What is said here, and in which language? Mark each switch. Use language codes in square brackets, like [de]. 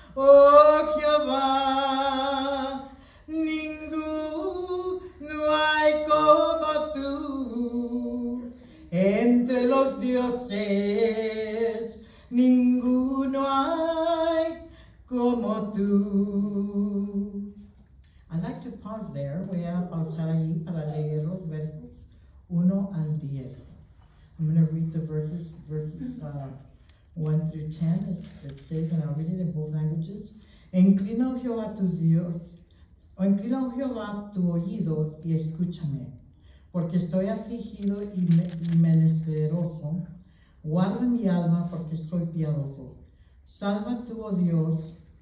[es] Oh Jehová, ninguno hay como tú entre los dioses, ninguno hay como tú. [en] I'd like to pause there. [es] Voy a pausar ahí para leer los versos 1 al 10. [en] I'm going to read the verses 1 through 10. It says, and I'll read it in both languages. [es] Inclina, Jehová, tu Dios. Inclina, Jehová, tu oído y escúchame, porque estoy afligido y menesteroso. Guarda mi alma, porque soy piadoso. Salva tú, oh Dios.